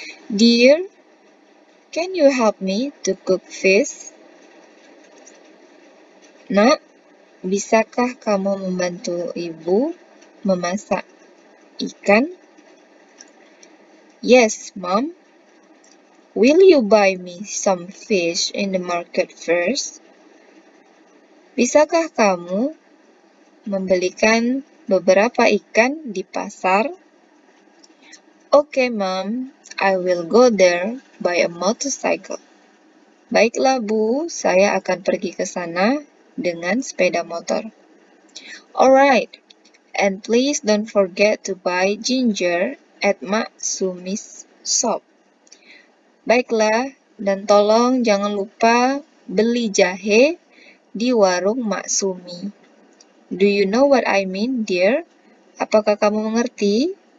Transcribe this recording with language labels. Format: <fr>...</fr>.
<en>Dear, can you help me to cook fish?</en> <id>Nak, bisakah kamu membantu ibu memasak ikan?</id> <en>Yes, mom. Will you buy me some fish in the market first?</en> <id>Bisakah kamu membelikan beberapa ikan di pasar?</id> <en>Oke, Mom, I will go there by a motorcycle.</en> <id>Baiklah, Bu, saya akan pergi ke sana dengan sepeda motor.</id> <en>Alright, and please don't forget to buy ginger at Mak Sumi's shop.</en> <id>Baiklah, dan tolong jangan lupa beli jahe di warung Mak Sumi.</id> <en>Do you know what I mean, dear?</en> <id>Apakah kamu mengerti?</id>